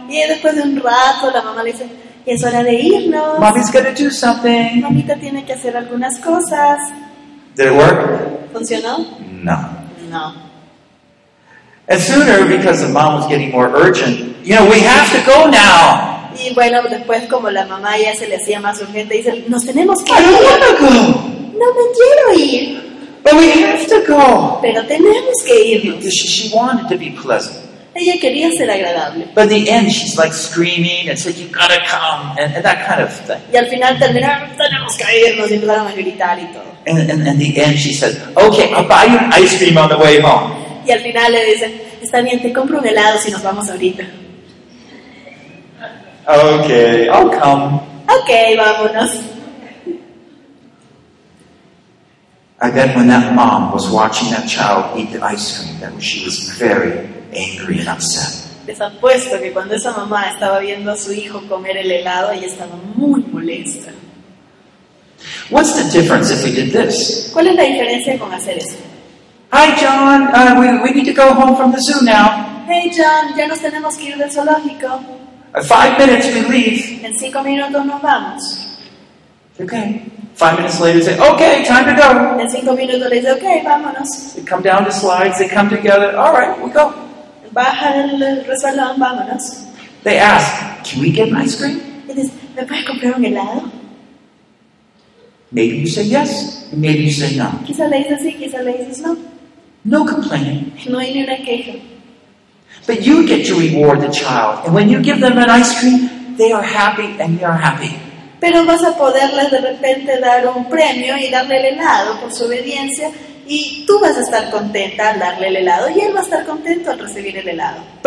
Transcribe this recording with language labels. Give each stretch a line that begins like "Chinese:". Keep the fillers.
Spanish: Y después de un rato, la mamá le dice, es hora de irnos.
English: Mommy's gonna do something.
Spanish: Mamita tiene que hacer algunas cosas.
English: Did it work? Funcionó? No. No. And sooner, because the mom was getting more urgent, you know, we have to go now.
Spanish: Y bueno, después como la mamá ya se le hacía más urgente, dice, nos tenemos que ir.
English: I don't wanna go.
Spanish: No me quiero ir.
English: But we have to go.
Spanish: Pero tenemos que irnos.
English: She, she wanted to be pleasant.
Spanish: Ella quería ser agradable.
English: But at the end, she's like screaming It's like you got to come," and, and that kind of
Spanish: Y al final terminamos tenemos que irnos y empezaron a gritar y todo.
English: And, and, the end, she says, "Okay, I'll buy you ice cream on the way home."
Spanish: Y al final le dice, "Está bien, te compro un helado si nos vamos ahorita."
English: Okay, I'll come.
Spanish: Okay, vámonos.
English: I bet when that mom was watching that child eat the ice cream, that she was very angry and upset.
Spanish: Les apuesto que cuando esa mamá estaba viendo a su hijo comer el helado, ella estaba muy molesta.
English: What's the difference if we did this?
Spanish: ¿Cuál es la diferencia con hacer eso?
English: Hi John, uh, we, we need to go home from the zoo now.
Spanish: Hey John, ya nos tenemos que ir del zoológico.
English: Five minutes we leave.
Spanish: En cinco minutos nos vamos.
English: Okay. Five minutes later, they say, okay, time to go.
Spanish: En cinco minutos, dice, okay, vámonos. They
English: come down the slides, they come together, all right, we go.
Spanish: Baja el resbalón, vámonos.
English: They ask, can we get an ice cream?
Spanish: ¿Me puedes comprar un helado?
English: Maybe you say yes, maybe you say no.
Spanish: Quizá le dices sí, quizá le dices no. No
English: complaining.
Spanish: No hay ni queja.
English: But you get to reward the child. And when you give them an ice cream, they are happy and you are happy.
Spanish: pero vas a poderles de repente dar un premio y darle el helado por su obediencia y tú vas a estar contenta al darle el helado y él va a estar contento al recibir el helado.